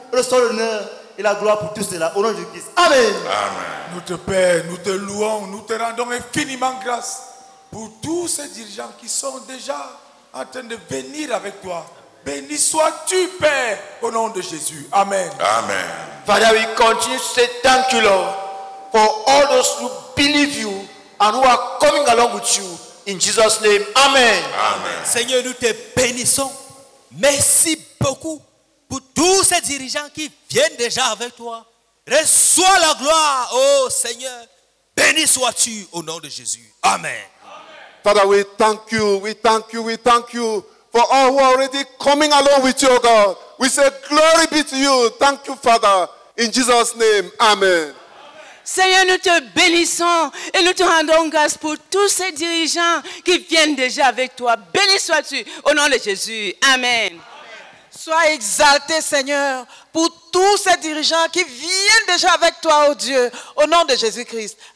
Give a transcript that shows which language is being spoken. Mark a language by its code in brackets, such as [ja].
[fr] Reçois l'honneur et la gloire pour tous ceux-là. Au nom de Christ, amen. Amen. Notre Père, nous te louons, nous te rendons infiniment grâce pour tous ces dirigeants qui sont déjà en train de venir avec toi. Béni sois-tu, Père, au nom de Jésus. Amen. Amen. [en] Father, we continue to say thank you, Lord, for all those who believe you and who are coming along with you. In Jesus' name, amen. Amen. [fr] Seigneur, nous te bénissons. Merci beaucoup pour tous ces dirigeants qui viennent déjà avec toi. Reçois la gloire, oh Seigneur. Béni sois-tu, au nom de Jésus. Amen. [en] Father, we thank you, we thank you, we thank you for all who are already coming along with you, God. We say, glory be to you. Thank you, Father. In Jesus' name, amen. [fr] Seigneur, nous te bénissons et nous te rendons grâce pour tous ces dirigeants qui viennent déjà avec toi. Béni sois-tu au nom de Jésus. Amen. Sois exalté, Seigneur, pour tous ces dirigeants qui viennent déjà avec toi, oh Dieu, au nom de Jésus-Christ.